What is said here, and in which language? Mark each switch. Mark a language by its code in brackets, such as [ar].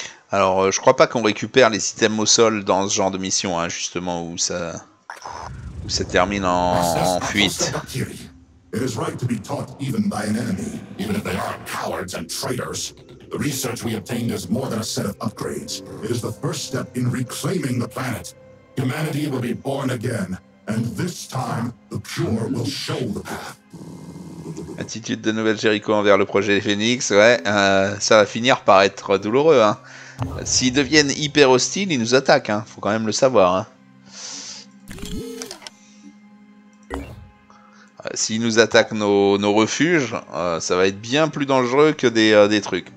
[fr] Alors, je crois pas qu'on récupère les items au sol dans ce genre de mission, hein, justement, où ça... se termine en fuite. [en] It is right to be taught even by an enemy, even if they are cowards and traitors. The research we obtained is more than a set of upgrades. It is the first step in reclaiming the planet. Humanity will be born again, and this time the pure will show the path. [fr] Attitude de Nouvelle Jéricho envers le projet Phoenix, ouais, ça va finir par être douloureux, hein. S'ils deviennent hyper hostiles, ils nous attaquent, hein. Faut quand même le savoir, hein. S'ils nous attaquent nos refuges, ça va être bien plus dangereux que des trucs.